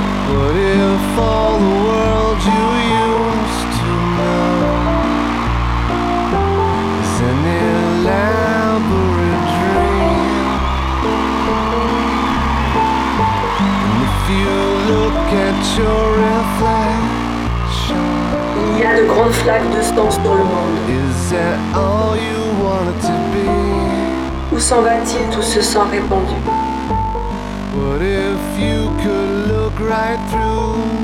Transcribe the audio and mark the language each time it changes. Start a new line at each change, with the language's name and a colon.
English: What if all the world you used to know is an elaborate dream? And if you look at your reflection,
French: il y a de grandes flaques de sang sur le monde.
English: Is that all you wanted to be?
French: Où s'en va-t-il tout ce sang répandu?
English: What if you could look right through?